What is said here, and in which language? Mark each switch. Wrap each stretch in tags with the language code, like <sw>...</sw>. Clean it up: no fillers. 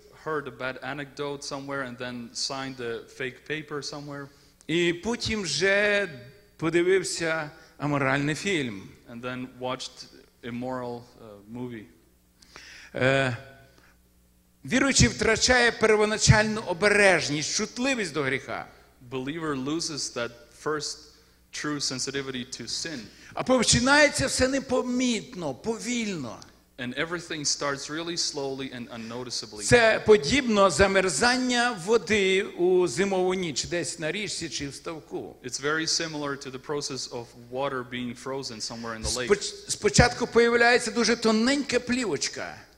<en>Heard a bad anecdote somewhere and then signed a fake paper somewhere.</en> <uk>І потім вже подивився аморальний фільм.</uk> <en>And then watched immoral movie.</en> <uk>Віруючий втрачає первоначальну обережність, чутливість до гріха.</uk> <en>Believer loses that first true sensitivity to sin.</en> <uk>А починається все непомітно, повільно.</uk> <en>And everything starts really slowly and unnoticeably.</en> <uk>Це подібно замерзання води у зимову ніч десь на річці чи в ставку.</uk> <en>It's very similar to the process of water being frozen somewhere in the lake.</en> <uk>Спочатку появляється дуже тоненька плівочка.</uk>